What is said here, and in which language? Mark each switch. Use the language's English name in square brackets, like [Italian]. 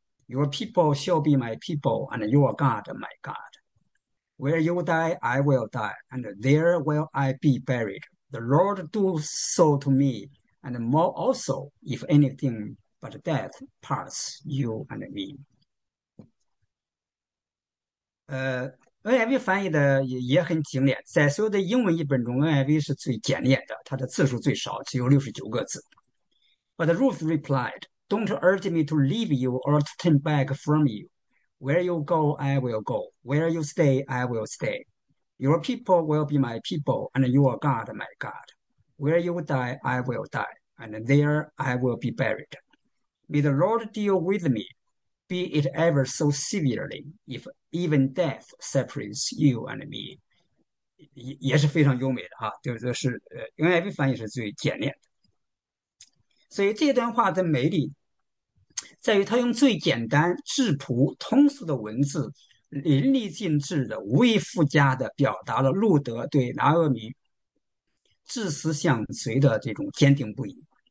[English] Your people shall be my people, and your God my God. Where you die, I will die, and there will I be buried. The Lord do so to me, and more also, if anything but death parts you and me. [Chinese] NIV 翻译的也很精炼，在所有的英文译本中，NIV 是最简练的，它的字数最少，只有69个字。 [English] But Ruth replied, "Don't urge me to leave you or to turn back from you. Where you go, I will go. Where you stay, I will stay. Your people will be my people, and your God my God. Where you die, I will die, and there I will be buried. May the Lord deal with me, be it ever so severely, if even death separates you and me." [Chinese] 也是非常优美的哈，就是NIV 翻译是最简练的。所以这段话的美丽，在于他用最简单、质朴、通俗的文字，淋漓尽致的、无以复加的表达了路德对拿俄米至死相随的这种坚定不移。